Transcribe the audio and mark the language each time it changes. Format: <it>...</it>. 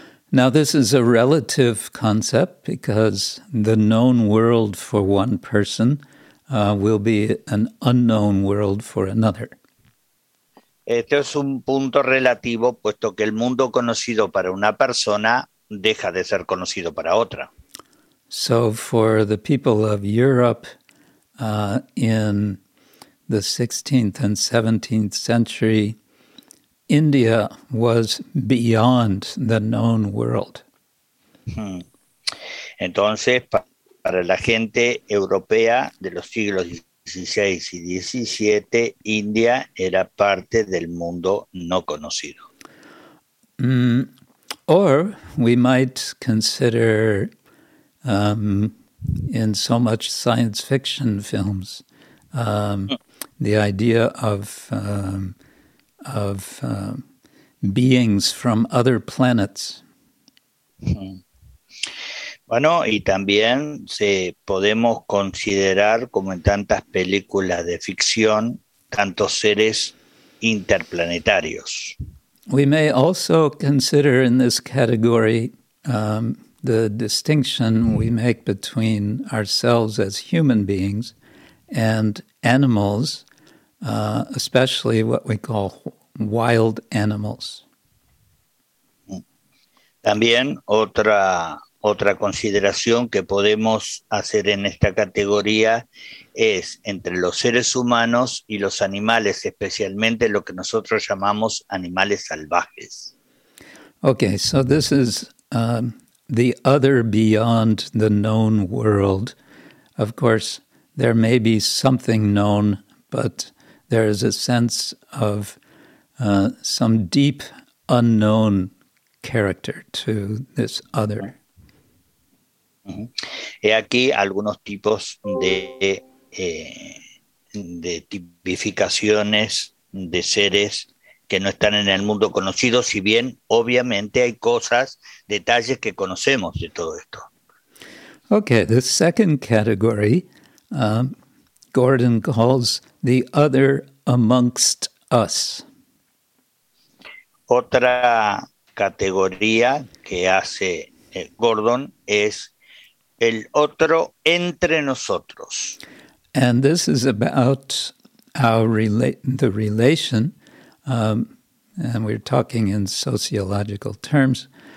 <en>Now, this is a relative concept because the known world for one person, will be an unknown world for another.</en> <es>Esto es un punto relativo, puesto que el mundo conocido para una persona deja de ser conocido para otra.</es> <en>So, for the people of Europe in the 16th and 17th century, India was beyond the known world.</en> <es>Entonces, para la gente europea de los siglos XVI y XVII, India era parte del mundo no conocido.</es> <en>Or we might consider. In so much science fiction films, the idea of beings from other planets.</en> <es>Bueno, y también se podemos considerar, como en tantas películas de ficción, tantos seres interplanetarios.</es> <en>We may also consider in this category, the distinction we make between ourselves as human beings and animals, especially what we call wild animals.</en> <es>También otra consideración que podemos hacer en esta categoría es entre los seres humanos y los animales, especialmente lo que nosotros llamamos animales salvajes.</es> <en>Okay, so this is. The other beyond the known world. Of course, there may be something known, but there is a sense of some deep unknown character to this other.</en> <es>He aquí algunos tipos de tipificaciones de seres que no están en el mundo conocido, si bien obviamente hay cosas, detalles que conocemos de todo esto.</es> <en>Okay, the second category, Gordon calls the other amongst us.</en> <es>Otra categoría que hace Gordon es el otro entre nosotros.</es> <en>And this is about our the relation, and we're talking in sociological terms.</en>